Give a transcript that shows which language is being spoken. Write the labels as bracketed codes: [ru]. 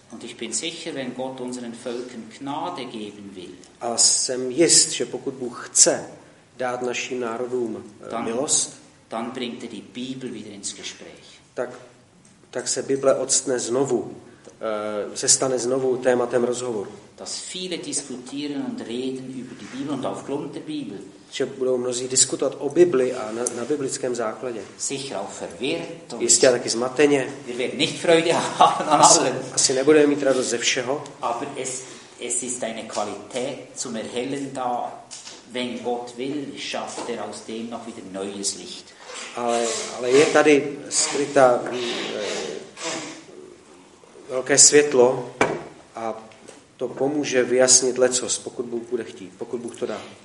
[de] Und ich bin sicher, wenn Gott unseren Völkern Gnade geben will. [cs] A jsem jist, že pokud Bůh chce dát našim národům milost, [de] dann bringt er die Bibel wieder ins Gespräch. [cs] Tak se Bible odstne znovu, se stane znovu tématem rozhovoru. [de] Dass viele diskutieren und reden über die Bibel und aufgrund der Bibel. [cs] Že budou mnozí diskutovat o Bibli a na biblickém základě. [de] Sicher auch verwirrt. [cs] Jistě taky zmateně. [de] Wir werden nicht Freude haben an allem. [cs] Asi nebudeme mít radost ze všeho. [de] Aber es ist eine Qualität zum Erhellen da. Wenn Gott will, schafft er aus dem noch wieder neues Licht. [cs] Ale je tady skryta velké světlo a to pomůže vyjasnit leccos, pokud Bůh bude chtít, pokud Bůh to dá.